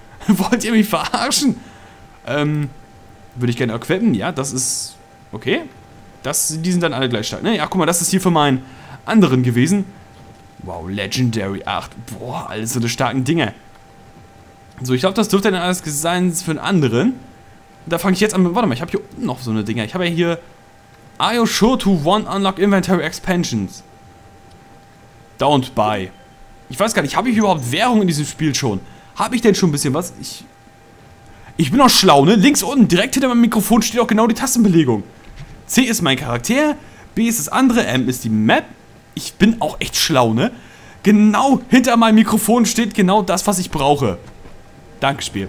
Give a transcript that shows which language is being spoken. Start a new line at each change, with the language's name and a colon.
German: Wollt ihr mich verarschen? Würde ich gerne equippen. Ja, das ist... Okay. Die sind dann alle gleich stark. Ne? Ja, guck mal, das ist hier für meinen anderen gewesen. Wow, Legendary 8. Boah, alles so eine starken Dinge. So, ich glaube, das dürfte dann alles sein für einen anderen. Da fange ich jetzt an mit... Warte mal, ich habe hier unten noch so eine Dinger. Ich habe ja hier...
English: Are you sure to one unlock inventory expansions? Don't buy.
German: Ich weiß gar nicht, habe ich überhaupt Währung in diesem Spiel schon? Habe ich denn schon ein bisschen was? Ich bin auch schlau, ne? Links unten, direkt hinter meinem Mikrofon, steht auch genau die Tastenbelegung. C ist mein Charakter, B ist das andere, M ist die Map. Ich bin auch echt schlau, ne? Genau hinter meinem Mikrofon steht genau das, was ich brauche. Danke, Spiel.